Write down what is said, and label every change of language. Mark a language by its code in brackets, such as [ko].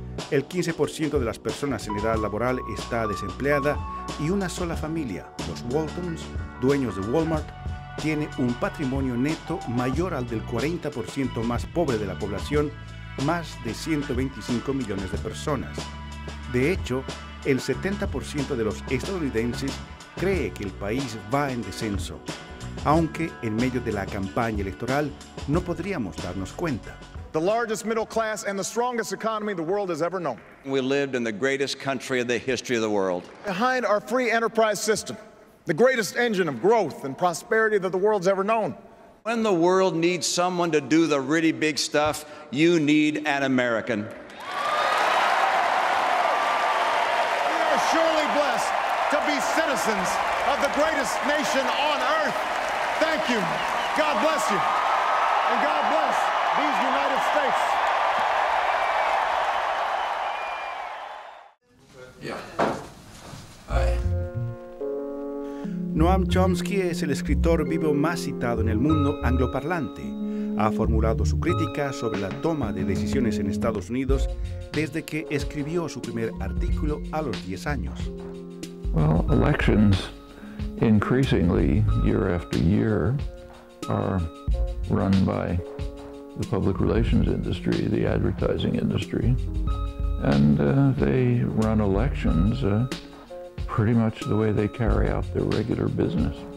[es] El 15% de las personas en edad laboral está desempleada y una sola familia, los Waltons, dueños de Walmart, tiene un patrimonio neto mayor al del 40% más pobre de la población, más de 125 millones de personas. De hecho, el 70% de los estadounidenses cree que el país va en descenso, aunque en medio de la campaña electoral no podríamos darnos cuenta. [en] The largest middle class and the strongest economy the world has ever known. We lived in the greatest country of the history of the world. Behind our free enterprise system, the greatest engine of growth and prosperity that the world's ever known. When the world needs someone to do the really big stuff, you need an American. We are surely blessed to be citizens of the greatest nation on earth. Thank you. God bless you. And God bless these United States. Yeah. [es] Noam Chomsky es el escritor vivo más citado en el mundo angloparlante. Ha formulado su crítica sobre la toma de decisiones en Estados Unidos desde que escribió su primer artículo a los 10 años. [en] Well, elections, increasingly year after year, are run by the public relations industry, the advertising industry, and they run elections pretty much the way they carry out their regular business.